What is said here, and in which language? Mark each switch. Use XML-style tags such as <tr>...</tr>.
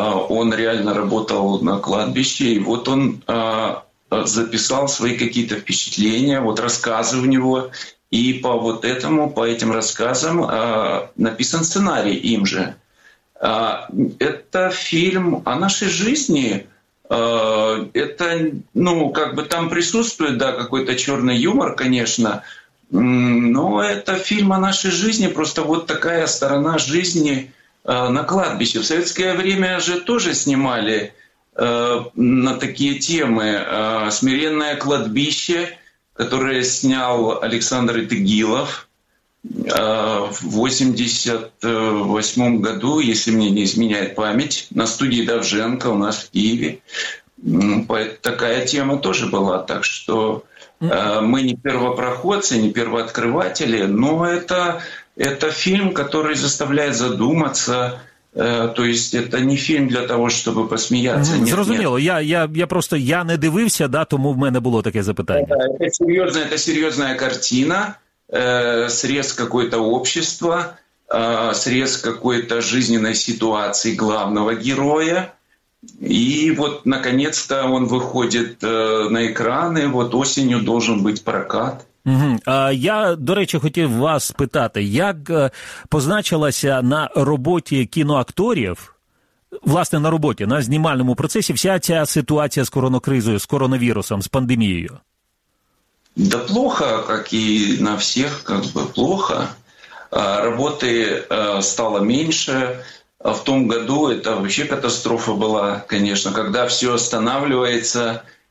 <uk>Він реально працював на кладбищі, і от він записав свої якісь впечатлення, от розкази в нього. І по цим розказам написан сценарій їм же.</uk> <ru>Это фильм о нашей жизни. Это, там присутствует, да, какой-то черный юмор, конечно. Но это фильм о нашей жизни, просто вот такая сторона жизни на кладбище. В советское время же тоже снимали на такие темы «Смиренное кладбище», которое снял Александр Итагилов. В 88-м году, если мне не изменяет память, на студии Довженко у нас в Киеве. Такая тема тоже была. Так что мы не первопроходцы, не первооткрыватели, но это фильм, который заставляет задуматься. То есть это не фильм для того, чтобы посмеяться.</ru> <uk>Зрозуміло, я просто не дивився, да, тому в мене було таке запитання.</uk> <ru>Это серьезная картина. Срез какое-то общество, срез какой-то жизненной ситуации главного героя. И вот, наконец-то, он выходит на экраны, вот осенью должен быть прокат. Угу.</ru> <uk>Я, до речі, хотів вас питати, як позначилася на роботі кіноакторів, власне, на роботі, на знімальному процесі, вся ця ситуація з коронакризою, з коронавірусом, з пандемією?</uk> <ru>Да плохо, как и на всех, как бы плохо. Работы стало меньше. В том году это вообще катастрофа была, конечно, когда все останавливается.</ru>